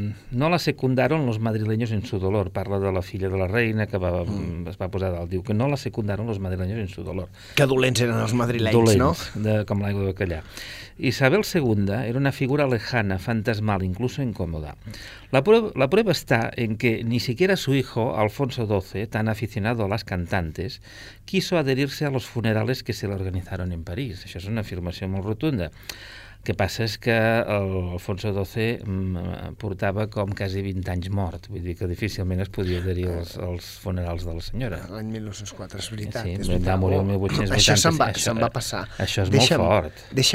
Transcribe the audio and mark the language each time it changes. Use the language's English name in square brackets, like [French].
[Spanish] no la secundaron los madrileños en su dolor. [Catalan] Parla de la filla de la reina que va, es va posar dalt. Diu que [Spanish] no la secundaron los madrileños en su dolor. [Catalan] Que dolents eren els madrileños, dolents, no? De, com l'aigua de bacallà. [Spanish] Isabel II era una figura lejana, fantasmal, incluso incómoda. La prueba está en que ni siquiera su hijo, Alfonso XII, tan aficionado a las cantantes, quiso adherirse a los funerales que se le organizaron en París. [Catalan] Això és una afirmació molt rotunda. El que passa és que Alfonso XII portava com quasi 20 anys mort, vull dir que difícilment es podia adherir als funerals de la senyora. L'any 1904, és veritat. Sí, és veritat. Va morir el 1886. Això se'n va passar. Això és deixa'm, molt fort.